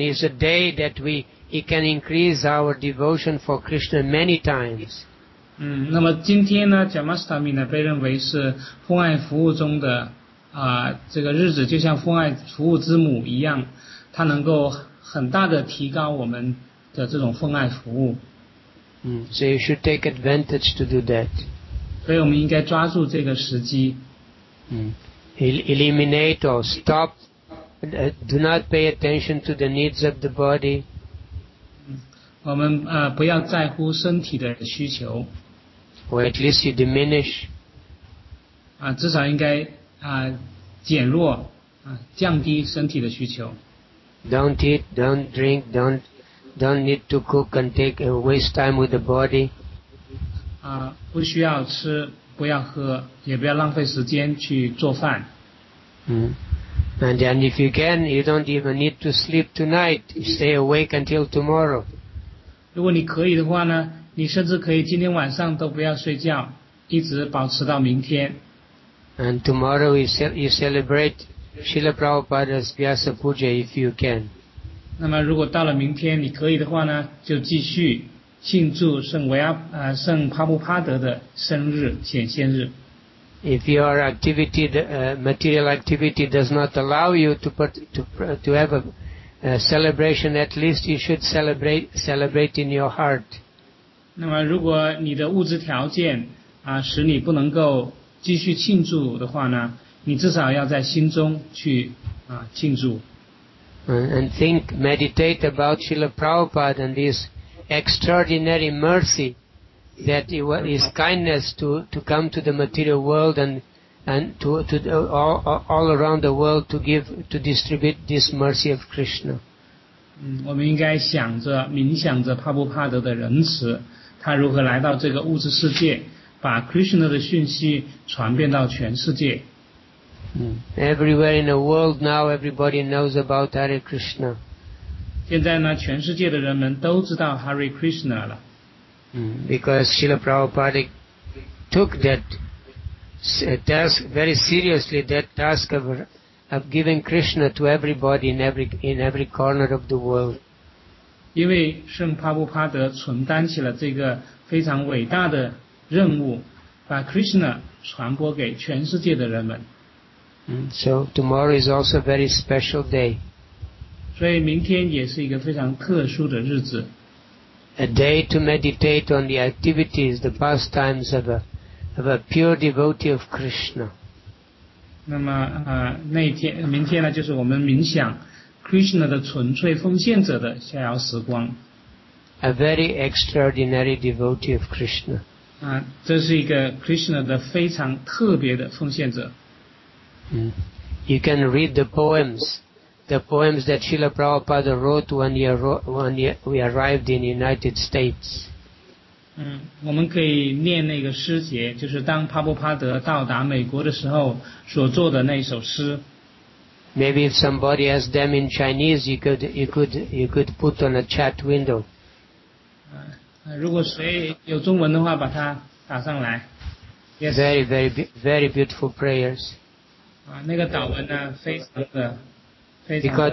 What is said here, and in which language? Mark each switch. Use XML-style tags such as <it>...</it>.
<en>It's a day that we can increase our devotion for Krishna many times.</en> <zh>那么今天呢 ，Janmashtami 呢被认为是父爱服务中的这个日子，就像父爱服务之母一样，它能够很大的提高我们的这种父爱服务。</zh> <en>So you should take advantage to do that.</en> <zh>所以我们应该抓住这个时机。</zh> <en>Eliminate or stop. Do not pay attention to the needs of the body.</en> <zh>我们不要在乎身体的需求。</zh> <en>Or at least you diminish.</en> <zh>至少应该减弱降低身体的需求。</zh> <en>Don't eat. Don't drink. Don't need to cook and take and waste time with the body.</en> <zh>不需要吃，不要喝，也不要浪费时间去做饭。</zh> <en>And if you can, you don't even need to sleep tonight. Stay awake until tomorrow.</en> <zh>如果你可以的话呢，你甚至可以今天晚上都不要睡觉，一直保持到明天。</zh> <en>And tomorrow you celebrate Srila Prabhupada's Vyasa Puja if you can.</en> <zh>那么如果到了明天你可以的话呢就继续庆祝圣帕布帕德的生日显现日。</zh> <en>If your activity, material activity does not allow you to have a celebration, at least you should celebrate in your heart.</en> <zh>那么如果你的物质条件使你不能够继续庆祝的话呢你至少要在心中去庆祝。</zh> <en>And think, meditate about Srila Prabhupada and his extraordinary mercy that his kindness to come to the material world and to all around the world to distribute this mercy of Krishna.</en> <zh>我们应该想着冥想着帕布帕德的仁慈他如何来到这个物质世界把 Krishna 的讯息传遍到全世界。</zh> <en>Everywhere in the world now, everybody knows about Hare Krishna.</en> <zh>现在呢，全世界的人们都知道 Hare Krishna 了。</zh> <en>Because Srila Prabhupada took that task very seriously, that task of giving Krishna to everybody in every corner of the world.</en> <zh>因为圣帕布帕德承担起了这个非常伟大的任务，把 Krishna 传播给全世界的人们。</zh> <en>So tomorrow is also a very special day.</en> <zh>所以明天也是一个非常特殊的日子。</zh> <en>A day to meditate on the activities, the pastimes of a pure devotee of Krishna.</en> <zh>那么那天明天呢，就是我们冥想 Krishna 的纯粹奉献者的逍遥时光。</zh> <en>A very extraordinary devotee of Krishna.</en> <zh>这是一个 Krishna 的非常特别的奉献者。</zh> <en>You can read the poems that Srila Prabhupada wrote when we arrived in the United States.</en> <zh>我们可以念那个诗节，就是当帕布帕德到达美国的时候所做的那首诗。</zh> <en>Maybe if somebody has them in Chinese, you could put on a chat window.</en> <zh>如果谁有中文的话，把它打上来。</zh> <en>Yes. Very, very, very beautiful prayers.</en> <zh>那个祷文呢，非常的，非常的。</zh>